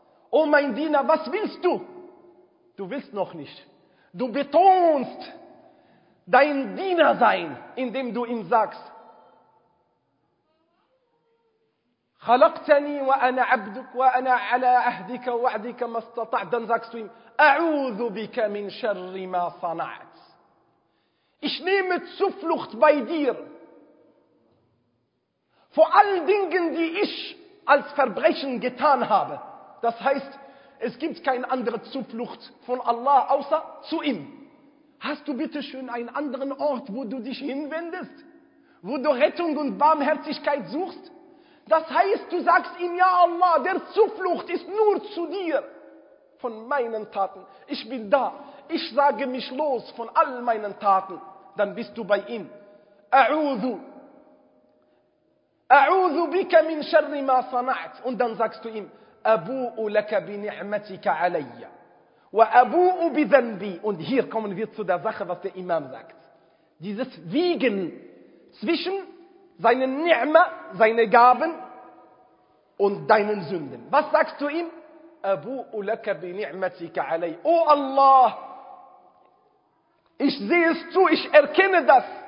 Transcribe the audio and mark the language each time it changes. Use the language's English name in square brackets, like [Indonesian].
[German] O mein Diener, was willst du? Du willst noch nicht. Du betonst dein Diener sein, indem du ihm sagst, [Arabic] خَلَقْتَنِي وَأَنَا عَبْدُكَ وَأَنَا عَلَىٰ أَهْدِكَ وَعْدِكَ مَا اسْتَطَعْتَ. [German] Dann sagst du ihm, [Arabic] أَعُوذُ بِكَ مِنْ شَرِّ مَا صَنَعْتَ. [German] Ich nehme Zuflucht bei dir vor all Dingen, die ich als Verbrechen getan habe. Das heißt, es gibt keine andere Zuflucht von Allah außer zu ihm. Hast du bitte schön einen anderen Ort, wo du dich hinwendest? Wo du Rettung und Barmherzigkeit suchst? Das heißt, du sagst ihm, ja Allah, der Zuflucht ist nur zu dir. Von meinen Taten. Ich bin da. Ich sage mich los von all meinen Taten. Dann bist du bei ihm. [Arabic] A'udhu. A'udhu bika min sharri ma sana'at. [German] Und dann sagst du ihm, [Arabic] أَبُوءُ لَكَ بِنِعْمَتِكَ عَلَيَّ وَأَبُوءُ بِذَنْبِي. [German] Und hier kommen wir zu der Sache, was der Imam sagt. Dieses Wiegen zwischen seinen Ni'ma, seine Gaben und deinen Sünden. Was sagst du ihm? [Arabic] أَبُوءُ لَكَ بِنِعْمَتِكَ عَلَيَّ. [German] O Allah, ich sehe es zu, ich erkenne das.